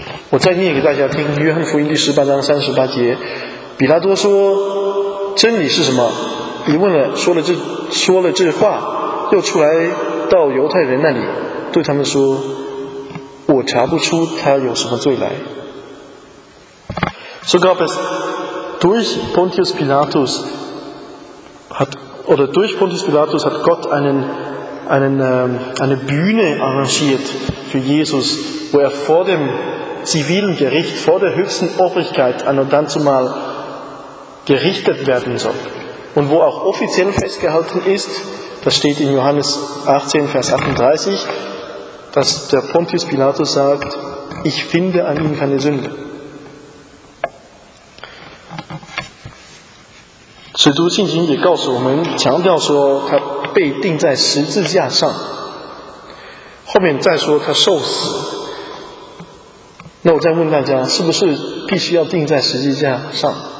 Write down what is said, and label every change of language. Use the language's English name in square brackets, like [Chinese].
[Chinese] 我再念给大家听，约翰福音第十八章三十八节，比拉多说，真理是什么？你问了，说了这话，又出来到犹太人那里，对他们说，我查不出他有什么罪来。 [German] So gab es durch Pontius Pilatus hat Gott eine Bühne arrangiert für Jesus, wo er vor dem zivilen Gericht, vor der höchsten Obrigkeit an und dann zumal gerichtet werden soll. Und wo auch offiziell festgehalten ist, das steht in Johannes 18, Vers 38, dass der Pontius Pilatus sagt, ich finde an ihm keine Sünde. [Chinese] 使徒信心也告诉我们，强调说他被钉在十字架上，后面再说他受死。那我再问大家，是不是必须要钉在十字架上？